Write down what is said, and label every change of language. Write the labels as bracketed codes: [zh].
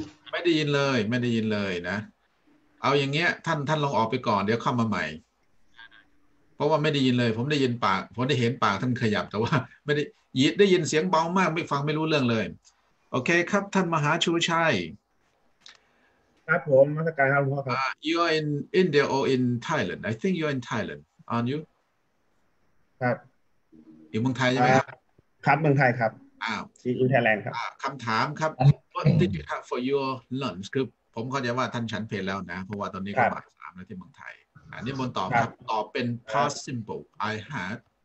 [th] ไม่ได้ยินเลยไม่ได้ยินเลยนะเอาอย่างเงี้ยท่านลองออกไปก่อนเดี๋ยวเข้ามาใหม่เพราะว่าไม่ได้ยินเลยผมได้ยินปากผมได้เห็นปากท่านขยับแต่ว่าไม่ได้ยินเสียงเบามากไม่ฟังไม่รู้เรื่องเลยโอเคครับท่านมหาชูชัย ครับผมมาตรการครับหลวงพ่อครับ [en] you are in India or in Thailand I think you are in Thailand aren't you [th] ครับ อยู่เมืองไทยใช่ไหมครับ ครับเมืองไทยครับที่อินเทอร์แลนด์ครับ คำถามครับ [en] what did you have for your lunch [th] คือผมเข้าใจว่าท่านฉันเพลแล้วนะเพราะว่าตอนนี้ก็บ่ายสามแล้วที่เมืองไทยอันนี้มันตอบครับตอบเป็น past simple [en] I had